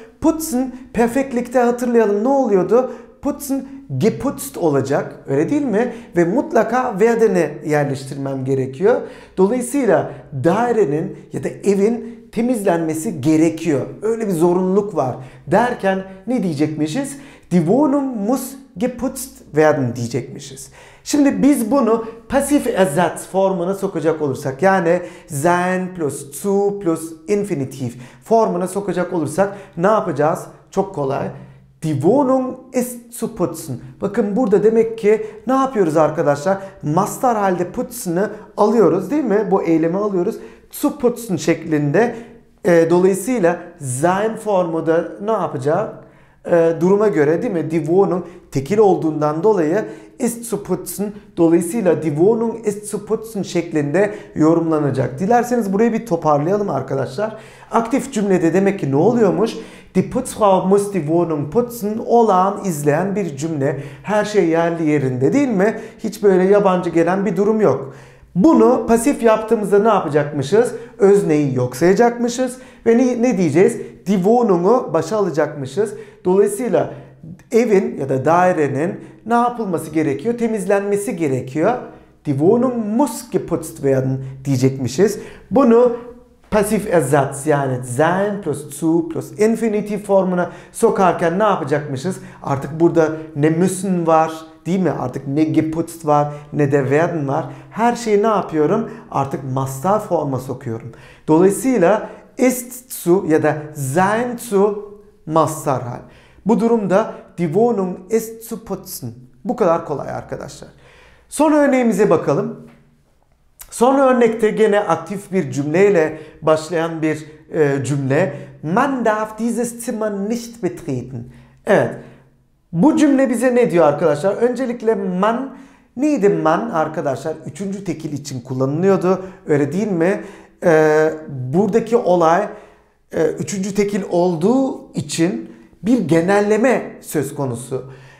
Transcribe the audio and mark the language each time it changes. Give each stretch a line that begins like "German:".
Turkish: Putzen perfektlikte hatırlayalım ne oluyordu? Putzen geputzt olacak. Öyle değil mi? Ve mutlaka werden'i yerleştirmem gerekiyor. Dolayısıyla dairenin ya da evin temizlenmesi gerekiyor. Öyle bir zorunluluk var. Derken ne diyecekmişiz?
German: Die Wohnung muss geputzt werden
Turkish: diyecekmişiz. Şimdi biz bunu pasif ersatz formuna sokacak olursak yani sein plus zu plus infinitiv formuna sokacak olursak ne yapacağız? Çok kolay.
German: Die Wohnung ist zu putzen.
Turkish: Bakın burada demek ki ne yapıyoruz arkadaşlar? Mastar halde putzen'ı alıyoruz değil mi? Bu eylemi alıyoruz. Zu putzen şeklinde. Dolayısıyla sein formu da ne yapacak? Duruma göre değil mi?
German: Die Wohnung
Turkish: tekil olduğundan dolayı
German: ist zu putzen.
Turkish: Dolayısıyla
German: die Wohnung ist zu putzen
Turkish: şeklinde yorumlanacak. Dilerseniz burayı bir toparlayalım arkadaşlar. Aktif cümlede demek ki ne oluyormuş?
German: Die Putzfrau muss die Wohnung putzen.
Turkish: Olağan izleyen bir cümle. Her şey yerli yerinde değil mi? Hiç böyle yabancı gelen bir durum yok. Bunu pasif yaptığımızda ne yapacakmışız? Özneyi yok sayacakmışız. Ve ne diyeceğiz? Die Wohnung'u başa alacakmışız. Dolayısıyla evin ya da dairenin ne yapılması gerekiyor? Temizlenmesi gerekiyor.
German: Die Wohnung muss geputzt werden
Turkish: diyecekmişiz. Bunu pasif ersatz yani sein plus zu plus infinitiv formuna sokarken ne yapacakmışız? Artık burada ne müssen var değil mi? Artık ne geputzt var ne de werden var. Her şeyi ne yapıyorum? Artık mastar forma sokuyorum. Dolayısıyla ist zu ya da sein zu mastar hal. Bu durumda
German: die Wohnung ist zu putzen.
Turkish: Bu kadar kolay arkadaşlar. Son örneğimize bakalım. Son örnekte gene aktif bir cümleyle başlayan bir cümle.
German: Man darf dieses Zimmer nicht betreten.
Turkish: Evet. Bu cümle bize ne diyor arkadaşlar? Öncelikle man neydi man arkadaşlar? Üçüncü tekil için kullanılıyordu. Öyle değil mi? Buradaki olay üçüncü tekil olduğu için bir genelleme söz konusu.